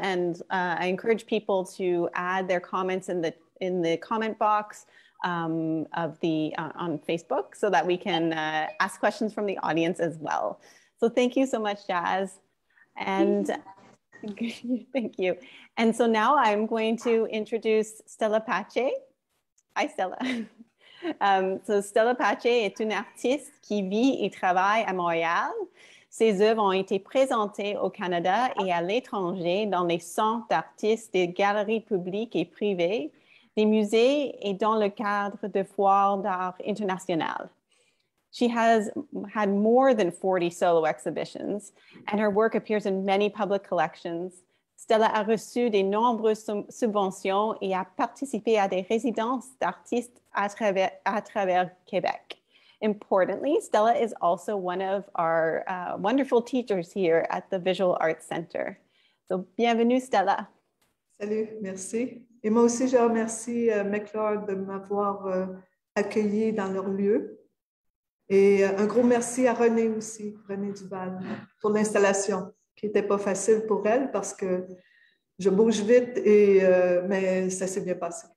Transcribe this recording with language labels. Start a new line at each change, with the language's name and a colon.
English: And I encourage people to add their comments in the comment box on Facebook so that we can ask questions from the audience as well. So thank you so much, Jazz. And thank you. And so now I'm going to introduce Stella Pace. Hi, Stella.
French: So Stella Pace est une artiste qui vit et travaille à Montréal. Ses œuvres ont été présentées au Canada et à l'étranger dans les centres d'artistes des galeries publiques et privées, des musées et dans le cadre de foires d'art internationales.
English: She has had more than 40 solo exhibitions, and her work appears in many public collections.
French: Stella a reçu de nombreuses subventions et a participé à des résidences d'artistes à travers Québec.
English: Importantly, Stella is also one of our wonderful teachers here at the Visual Arts Center. So,
French: bienvenue,
English: Stella.
French: Salut, merci. Et moi aussi, je remercie McClure de m'avoir accueilli dans leur lieu. Et un gros merci à Renée aussi, Renée Duval, pour l'installation, qui n'était pas facile pour elle parce que je bouge vite, mais ça s'est bien passé.